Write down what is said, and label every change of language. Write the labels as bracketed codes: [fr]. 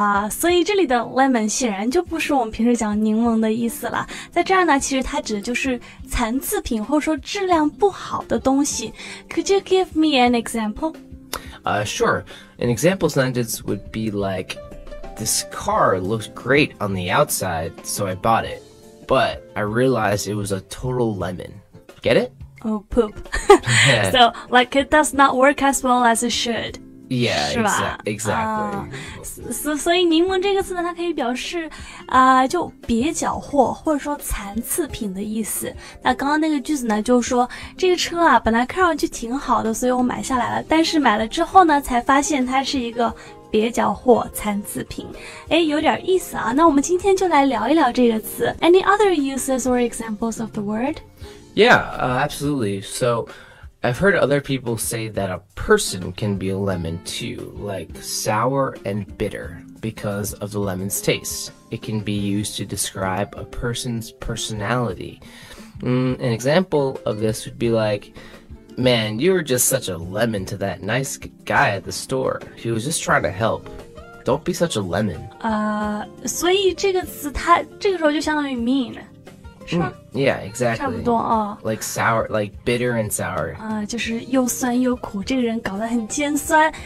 [zh] 所以这里的 lemon 显然就不是我们平时讲柠檬的意思了。在这儿呢，其实它指的就是残次品或者说质量不好的东西。 [en] Could you give me an example? Sure. An example sentence would be like,This car looked great on the outside, so I bought it. But I realized it was a total lemon. Get it? Oh, poop. So, like, it does not work as well as it should. Yeah, exactly. [zh] So, 柠檬这个字呢，它可以表示，就蹩脚货或者说残次品的意思。那刚刚那个句子呢，就是说这个车啊，本来看上去挺好的，所以我买下来了。但是买了之后呢，才发现它是一个蹩脚货残次品，哎，有点意思啊。那我们今天就来聊一聊这个词。 [en] Any other uses or examples of the word? Yeah, absolutely. So, I've heard other people say that a person can be a lemon too, like sour and bitter, because of the lemon's taste. It can be used to describe a person's personality. An example of this would be like,Man, you were just such a lemon to that nice guy at the store. He was just trying to help. Don't be such a lemon. [zh] 所以这个词它这个时候就相当于 mean, 是吗？ [en] Yeah, exactly. [zh] 差不多哦。 [en] Like sour, like bitter and sour. [zh] 就是又酸又苦，这个人搞得很尖酸。